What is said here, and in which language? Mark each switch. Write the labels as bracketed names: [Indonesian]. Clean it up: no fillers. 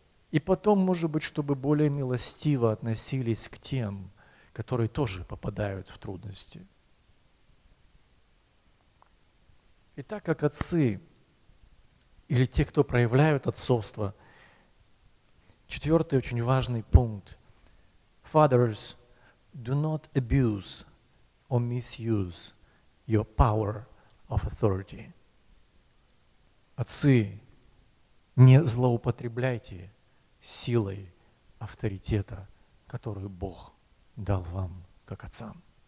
[Russian] И потом, может быть, чтобы более милостиво относились к тем, которые тоже попадают в трудности. И так как отцы, или те, кто проявляют отцовство, четвертый очень важный пункт. [English] Fathers, do not abuse or misuse your power of authority. [Russian] Отцы, не злоупотребляйте силой авторитета, которую Бог дал вам как отцам.